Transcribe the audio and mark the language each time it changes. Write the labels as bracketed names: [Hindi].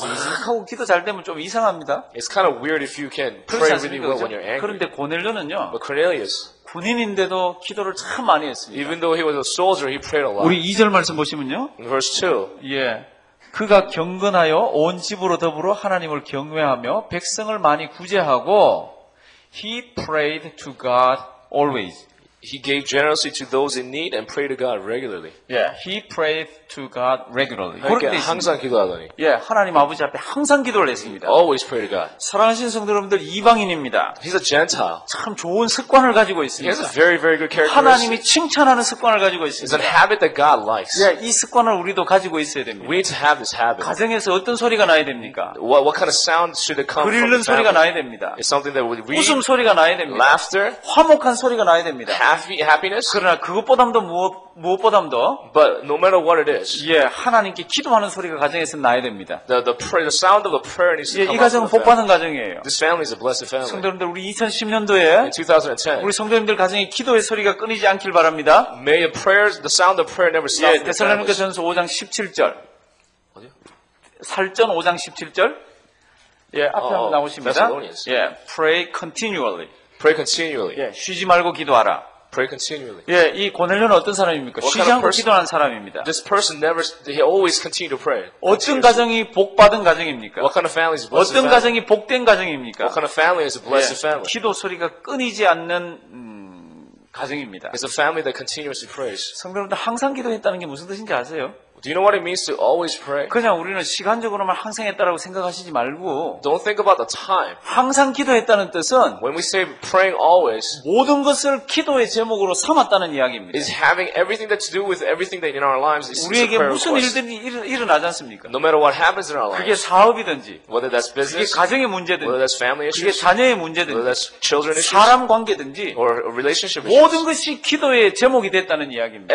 [Korean] 기도 싸움 확 하고 기도 잘 되면 좀 이상합니다. [English] It's kind of weird if you can pray really well [Korean] 그렇죠? [English] when you're angry. [Korean] 그런데 고넬료는요. [English] But Cornelius. [Korean] 군인인데도 기도를 참 많이 했습니다. [English] Even though he was a soldier, he prayed a lot. [Korean] 우리 2절 말씀 보시면요. [English] In verse 2. [Korean] 예. 그가 경건하여 온 집으로 더불어 하나님을 경외하며 백성을 많이 구제하고 [English] he prayed to God always. He gave generously to those in need and prayed to God regularly. Yeah, he prayed to God regularly. [Korean] 그렇게 항상 기도하더니. 예, 하나님 아버지 앞에 항상 기도를 했습니다. [English] Always prayed to God. [Korean] 사랑하신 성도 여러분들 이방인입니다. [English] He's a Gentile. [Korean] 참 좋은 습관을 가지고 있습니다. [English] He has a very, very good character. [Korean] 하나님이 칭찬하는 습관을 가지고 있습니다. [English] It's a habit that God likes. [Korean] 예, 이 습관을 우리도 가지고 있어야 됩니다. [English] We need to have this habit. [Korean] 가정에서 어떤 소리가 나야 됩니까? [English] What kind of sound should it come from? [Korean] 그리는 소리가 나야 됩니다. [English] It's something that we. [Korean] 웃음 소리가 나야 됩니다. [English] Laughter. [Korean] 화목한 소리가 나야 됩니다. [English] Happiness? [Korean] 그러나 그것보다도 무엇보다도 [English] But no matter what it is, [Korean] 예 하나님께 기도하는 소리가 가정에서 나야 됩니다. [English] The sound of the prayer needs to come out. [Korean] 예, 이 가정은 복받은 가정이에요. [English] This family is a blessed family. [Korean] 성도님들 우리 2010년도에 [English] 2010, [Korean] 우리 성도님들 가정의 기도의 소리가 끊이지 않길 바랍니다. [English] May prayers, the sound of prayer never stop. [Korean] 예, 데살로니가전서 5장 17절 어디요? 살전 5장 17절 예 앞에 한번 나오십니다. [English] Thessalonians. [Korean] 예, [English] pray continually. Pray continually. [Korean] 예, 쉬지 말고 기도하라. [English] Pray continually. [Korean] 예, 이 고넬료는 어떤 사람입니까? 쉬지 않고 기도하는 사람입니다. [English] This person never, he always continue to pray. [Korean] 어떤 가정이 복받은 가정입니까? [English] What kind of family is blessed? [Korean] 어떤 가정이 복된 가정입니까? [English] What kind of family is a blessed family? [Korean] 기도 소리가 끊이지 않는 가정입니다. [English] It's a family that continuously prays. [Korean] 성도님들 항상 기도했다는 게 무슨 뜻인지 아세요? [English] Do you know what it means to always pray? [Korean] 그냥 우리는 시간적으로만 항상 했다라고 생각하시지 말고 [English] Don't think about the time. [Korean] 항상 기도했다는 뜻은 [English] When we say praying always [Korean] 모든 것을 기도의 제목으로 삼았다는 이야기입니다. [English] Is having everything that to do with everything that in our lives is [Korean] 우리에게 무슨 일들이 일어나지 않습니까? [English] No matter what happens in our lives. [Korean] 그게 사업이든지 [English] whether that's business [Korean] 그게 가정의 문제든지 [English] whether that's family issues [Korean] 그게 자녀의 문제든지 [English] whether that's children issues [Korean] 사람 관계든지 [English] or relationship issues [Korean] 모든 것이 기도의 제목이 됐다는 이야기입니다.